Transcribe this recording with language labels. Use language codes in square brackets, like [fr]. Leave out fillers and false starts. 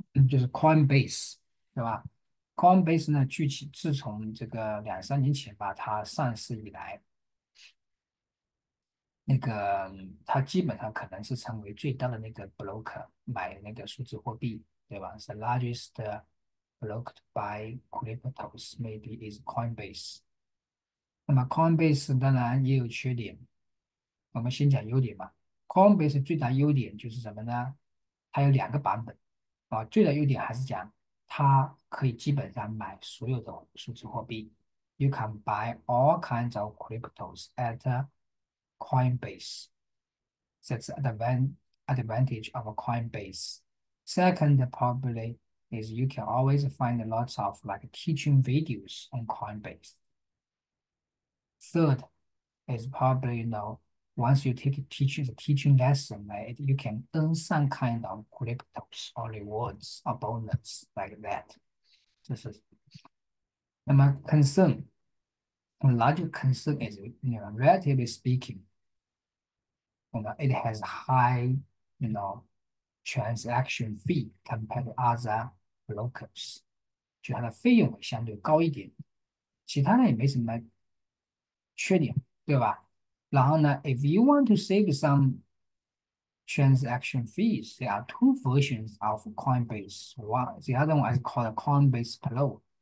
[zh] 就是 Coinbase，对吧？Coinbase 呢，自从这个两三年前吧，它上市以来，那个它基本上可能是成为最大的那个 broker 买那个数字货币，对吧？ [en] The largest broker to buy cryptos maybe is Coinbase。 [zh] 那么 Coinbase 当然也有缺点，我们先讲优点吧。 Coinbase 最大优点就是什么呢？它有两个版本。最大优点还是讲，它可以基本上买所有的数字货币。 [en] You can buy all kinds of cryptos at Coinbase. That's advantage of Coinbase. Second, probably is you can always find lots of like teaching videos on Coinbase. Third, is probably once you take a teaching lesson, right, you can earn some kind of cryptos or rewards or bonus like that. [zh] 这是。那么 [en] larger concern is, relatively speaking, it has high, transaction fee compared to other brokers. [zh] 就它的费用相对高一点，其他的也没什么缺点，对吧？然后呢， [en] if you want to save some transaction fees, there are two versions of Coinbase. One, the other one is called Coinbase Pro.